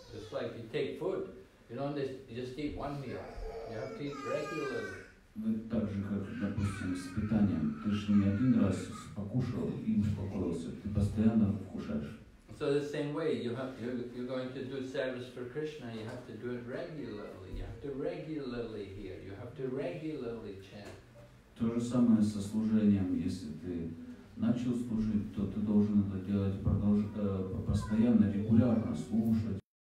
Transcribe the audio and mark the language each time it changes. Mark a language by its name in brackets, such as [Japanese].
[English] like you take food. You don't just eat one meal. You have to eat regularly. [Russian] Вы так же, как, допустим, с питанием, ты же не один раз покушал и успокоился, ты постоянно кушаешь. [English] So the same way, you're going to do service for Krishna, you have to do it regularly, you have to regularly hear, you have to regularly chant. [Russian] То же самое со служением, если ты начал служить, то ты должен это делать постоянно, регулярно слушать.